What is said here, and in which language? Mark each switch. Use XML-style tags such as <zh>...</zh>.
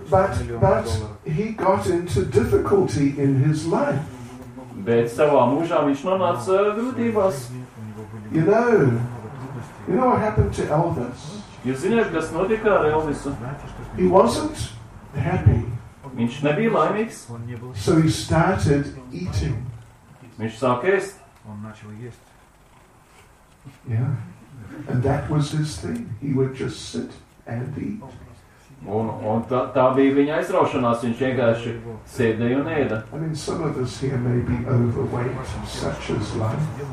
<en>But he got into difficulty in his life.</en> <lv>Bet savā mūžā viņš nonāca grūtībās.</lv> <en>You know what happened to Elvis?</en> <lv>Jūs zināt, kas notika ar Elvisu?</lv> <en>He wasn't happy.</en> <lv>Viņš nebija laimīgs.</lv> <en>So he started eating.</en> <lv>Viņš sāk ēst.</lv> <en>Yeah. And that was his thing. He would just sit and eat.</en> <lv>Un tā bija viņa aizraušanās, viņš vienkārši sēdēja un ēda.</lv> <en>I mean, some of us here may be overweight, such as life.</en>